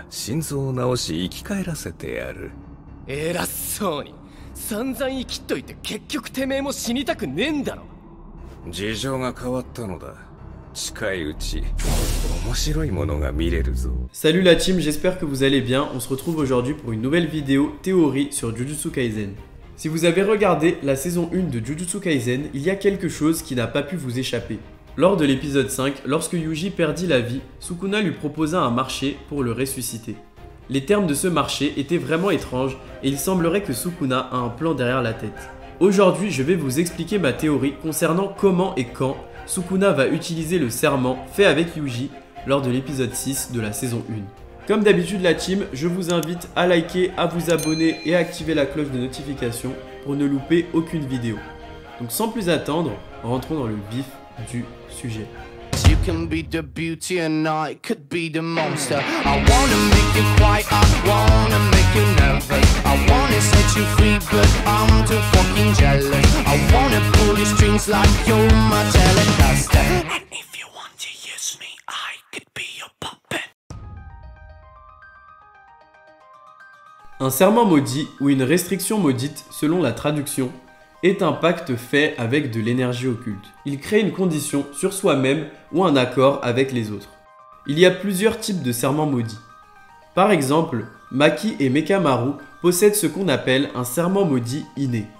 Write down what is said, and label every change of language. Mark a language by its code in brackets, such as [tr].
[ja] 心臓を治し生き返らせてやる。偉そうに散々生きっといて結局てめえも死にたくねえんだろ。事情が変わったのだ。 [fr] Salut la team, j'espère que vous allez bien. On se retrouve aujourd'hui pour une nouvelle vidéo théorie sur Jujutsu Kaisen. Si vous avez regardé la saison 1 de Jujutsu Kaisen, il y a quelque chose qui n'a pas pu vous échapper. Lors de l'épisode 5, lorsque Yuji perdit la vie, Sukuna lui proposa un marché pour le ressusciter. Les termes de ce marché étaient vraiment étranges et il semblerait que Sukuna a un plan derrière la tête. Aujourd'hui, je vais vous expliquer ma théorie concernant comment et quand Sukuna va utiliser le serment fait avec Yuji lors de l'épisode 6 de la saison 1. Comme d'habitude la team, je vous invite à liker, à vous abonner et à activer la cloche de notification pour ne louper aucune vidéo. Donc sans plus attendre, rentrons dans le vif du sujet. [en] You can be the beauty and I could be the monster. I wanna make you quiet, I wanna make you nervous. I wanna set you free, but I'm too fucking jealous. I wanna pull your strings like you're my telecaster. And if you want to use me, I could be your puppet. [fr] Un serment maudit, ou une restriction maudite selon la traduction, est un pacte fait avec de l'énergie occulte. Il crée une condition sur soi-même ou un accord avec les autres. Il y a plusieurs types de serments maudits. Par exemple, Maki et Mekamaru possèdent ce qu'on appelle un serment maudit inné.